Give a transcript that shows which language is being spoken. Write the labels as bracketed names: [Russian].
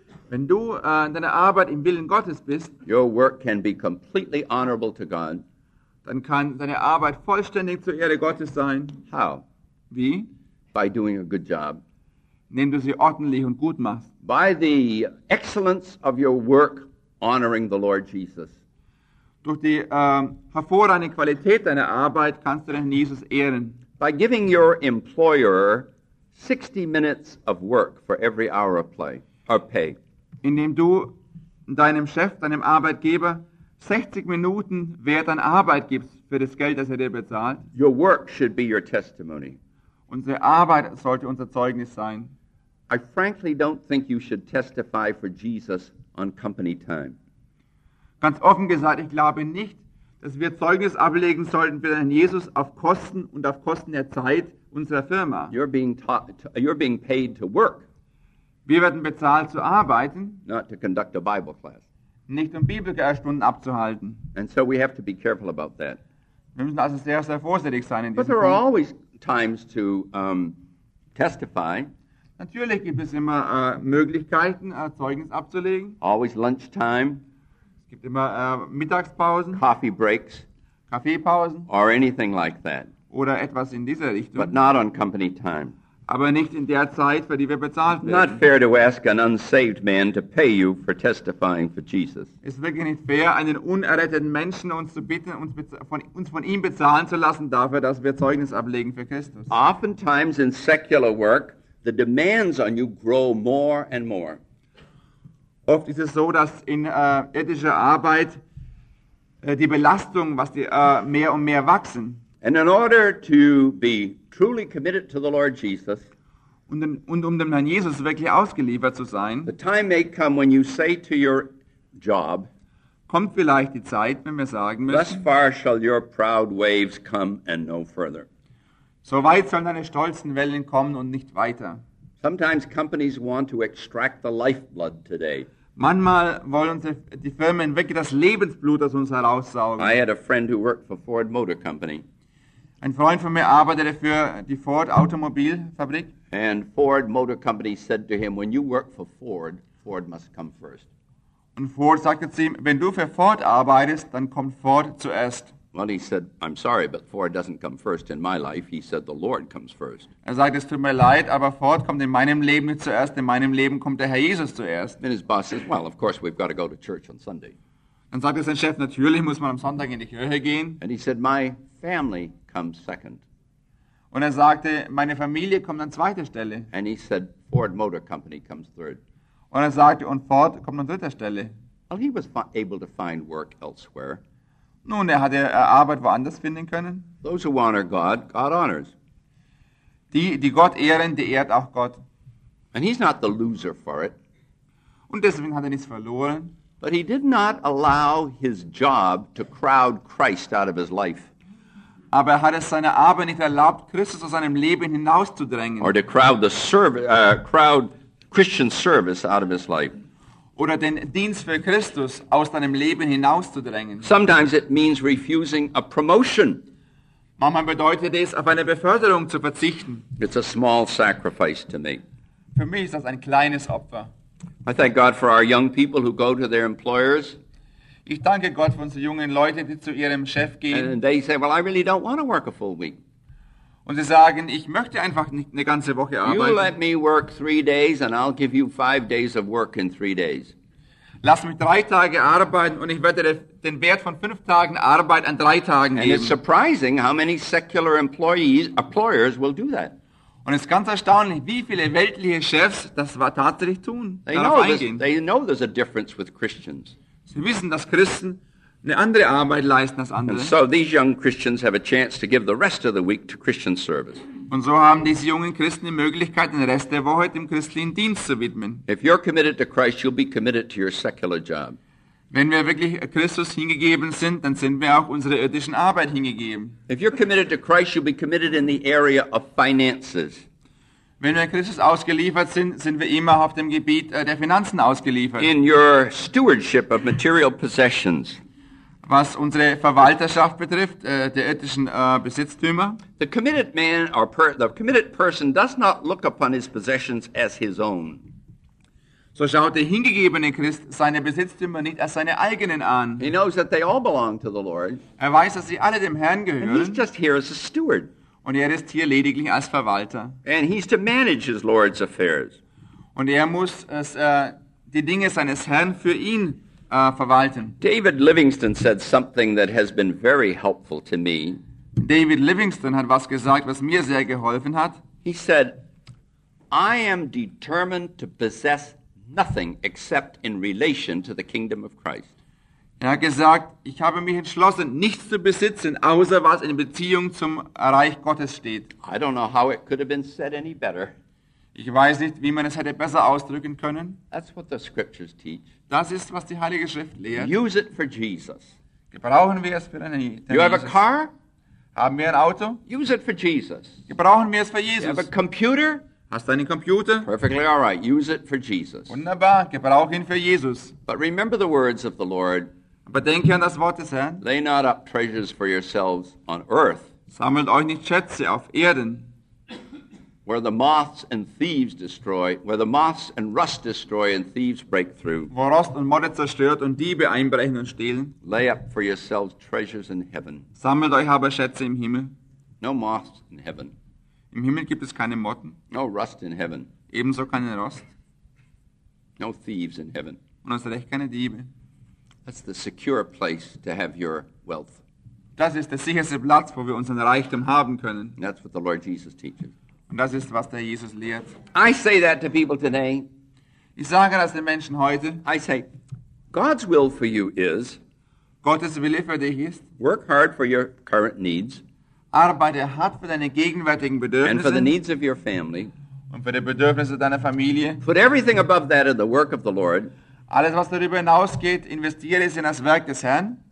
[German] wenn du in deiner Arbeit im Willen Gottes bist, [English] your work can be completely honorable to God. [German] Dann kann deine Arbeit vollständig zur Ehre Gottes sein. [English] How? [German] Wie? [English] By doing a good job. [German] Indem du sie ordentlich und gut machst. [English] By the excellence of your work honoring the Lord Jesus. [German] Durch die hervorragende Qualität deiner Arbeit kannst du den Herrn Jesus ehren. [English] By giving your employer 60 minutes of work for every hour of play or pay. [German] Indem du deinem Chef, deinem Arbeitgeber 60 Minuten Wert an Arbeit gibst für das Geld, das er dir bezahlt. [English] Your work should be your testimony. [German] Unsere Arbeit sollte unser Zeugnis sein. [English] I frankly don't think you should testify for Jesus on company time. [German] Ganz offen gesagt, ich glaube nicht, dass wir Zeugnis ablegen sollten für Herrn Jesus auf Kosten und auf Kosten der Zeit unserer Firma. [English] You're being paid to work. [German] Wir werden bezahlt zu arbeiten. [English] Not to conduct a Bible class. [German] Nicht um Bibelstunden abzuhalten. [English] And so we have to be careful about that. [German] Wir müssen also sehr, sehr vorsichtig sein in diesem Punkt. [English] But there are always times to testify. [German] Natürlich gibt es immer Möglichkeiten, Zeugnis abzulegen. [English] Always lunchtime. [German] Es gibt immer Mittagspausen. [English] Coffee breaks. [German] Kaffeepausen. [English] Or anything like that. [German] Oder etwas in dieser Richtung. [English] But not on company time. [German] Aber nicht in der Zeit, für die wir bezahlt werden. [English] It's not fair to ask an unsaved man to pay you for testifying for Jesus. [German] Es ist wirklich nicht fair, einen unerretteten Menschen uns zu bitten, uns von ihm bezahlen zu lassen, dafür, dass wir Zeugnis ablegen für Christus. [English] Oftentimes in secular work, the demands on you grow more and more. [German] Oft ist es so, dass in ethischer Arbeit die Belastung, was die mehr und mehr wachsen. [English] And in order to be truly committed to the Lord Jesus, [German] und um dem Herrn Jesus wirklich ausgeliefert zu sein, [English] the time may come when you say to your job, [German] kommt vielleicht die Zeit, wenn wir sagen müssen, [English] thus far shall your proud waves come and no further. [German] So weit sollen deine stolzen Wellen kommen und nicht weiter. [English] Sometimes companies want to extract the lifeblood today. [German] Manchmal wollen uns die Firmen wirklich das Lebensblut aus uns heraussaugen. [English] I had a friend who worked for Ford Motor Company. [German] Ein Freund von mir arbeitete für die Ford Automobilfabrik. [English] And Ford Motor Company said to him, when you work for Ford, Ford must come first. [German] Und Ford sagte zu ihm, wenn du für Ford arbeitest, dann kommt Ford zuerst. [English] Well, he said, I'm sorry, but Ford doesn't come first in my life. He said, the Lord comes first. [German] Er sagt, es tut mir leid, aber Ford kommt in meinem Leben nicht zuerst. In meinem Leben kommt der Herr Jesus zuerst. [English] Then his boss says, well, of course, we've got to go to church on Sunday. [German] Dann sagt er sein Chef, natürlich muss man am Sonntag in die Kirche gehen. [English] And he said, my family comes second. [German] Und er sagte, meine Familie kommt an zweiter Stelle. [English] And he said, Ford Motor Company comes third. [German] Und er sagte, und Ford kommt an dritter Stelle. [English] Well, he was able to find work elsewhere. [German] Nun, er hatte Arbeit woanders finden können. [English] Those who honor God, God honors. [German] Die Gott ehren, die ehrt auch Gott. [English] And he's not the loser for it. [German] Und deswegen hat er nichts verloren. [English] But he did not allow his job to crowd Christ out of his life. [German] Aber er hat es seiner Arbeit nicht erlaubt, Christus aus seinem Leben hinauszudrängen. [English] Or to crowd the crowd Christian service out of his life. [German] Oder den Dienst für Christus aus deinem Leben hinauszudrängen. [English] Sometimes it means refusing a promotion. [German] Manchmal bedeutet es, auf eine Beförderung zu verzichten. [English] It's a small sacrifice to me. [German] Für mich ist das ein kleines Opfer. [English] I thank God for our young people who go to their employers. [German] Ich danke Gott für unsere jungen Leute, die zu ihrem Chef gehen. [English] And they say, well, I really don't want to work a full week. [German] Und sie sagen, ich möchte einfach nicht eine ganze Woche arbeiten. [English] You let me work 3 days and I'll give you 5 days of work in 3 days. [German] Lass mich 3 Tage arbeiten und ich werde den Wert von 5 Tagen Arbeit an 3 Tagen geben. [English] And it's surprising how many secular employers will do that. [German] Und es ist ganz erstaunlich, wie viele weltliche Chefs das tatsächlich tun. [English] They know there's a difference with Christians. [German] Sie wissen, dass Christen eine andere Arbeit leisten als andere. [English] And so these young Christians have a chance to give the rest of the week to Christian service. [German] Und so haben diese jungen Christen die Möglichkeit, den Rest der Woche dem christlichen Dienst zu widmen. [English] If you're committed to Christ, you'll be committed to your secular job. [German] Wenn wir wirklich Christus hingegeben sind, dann sind wir auch unserer irdischen Arbeit hingegeben. [English] If you're committed to Christ, you'll be committed in the area of finances. [German] Wenn wir Christus ausgeliefert sind, sind wir immer auf dem Gebiet der Finanzen ausgeliefert. [English] In your stewardship of material possessions. [German] Was unsere Verwalterschaft betrifft, der irdischen Besitztümer. [English] The committed man or the committed person does not look upon his possessions as his own. [German] So schaut der hingegebene Christ seine Besitztümer nicht als seine eigenen an. [English] He knows that they all belong to the Lord. [German] Er weiß, dass sie alle dem Herrn gehören. [English] And he's just here as a steward. [German] Und er ist hier lediglich als Verwalter. [English] And he's to manage his Lord's affairs. [German] Und er muss die Dinge seines Herrn für ihn verwalten. [English] David Livingstone said something that has been very helpful to me. [German] David Livingstone hat was gesagt, was mir sehr geholfen hat. [English] He said, I am determined to possess nothing except in relation to the kingdom of Christ. [German] Er hat gesagt, ich habe mich entschlossen, nichts zu besitzen, außer was in Beziehung zum Reich Gottes steht. [English] I don't know how it could have been said any better. [German] Ich weiß nicht, wie man es hätte besser ausdrücken können. [English] That's what the scriptures teach. [German] Das ist, was die Heilige Schrift lehrt. [English] Use it for Jesus. [German] Gebrauchen wir es für einen [English] Jesus. You have a car? [German] Haben wir ein Auto? [English] Use it for Jesus. [German] Gebrauchen wir es für Jesus. [English] You have a computer? [German] Hast du einen Computer? [English] Perfectly all right. Use it for Jesus. [German] Wunderbar. Gebrauch ihn für Jesus. [English] But remember the words of the Lord. [German] Aber denke an das Wort des Herrn. [English] Lay not up treasures for yourselves on earth. [German] Sammelt euch nicht Schätze auf Erden. [English] Where the moths and thieves destroy, where the moths and rust destroy and thieves break through. [German] Wo Rost und Motte zerstört und Diebe einbrechen und stehlen. [English] Lay up for yourselves treasures in heaven. [German] Sammelt euch aber Schätze im Himmel. [English] No moths in heaven. [German] Im Himmel gibt es keine Motten. [English] No rust in heaven. [German] Ebenso keinen Rost. [English] No thieves in heaven. [German] Und es recht keine Diebe. [English] That's the secure place to have your wealth. [German] Das ist der sicherste Platz, wo wir unseren Reichtum haben können. [English] And that's what the Lord Jesus teaches. [German] Und das ist, was der Jesus lehrt. [English] I say that to people today. [German] Ich sage das den Menschen heute. [English] I say, God's will for you is, [German] Gottes Wille für dich ist, [English] work hard for your current needs, [German] arbeite hart für deine gegenwärtigen Bedürfnisse, [English] and for the needs of your family, [German] und für die Bedürfnisse deiner Familie, [English] put everything above that in the work of the Lord, [German] alles, was darüber hinausgeht, investiere es in das Werk des Herrn,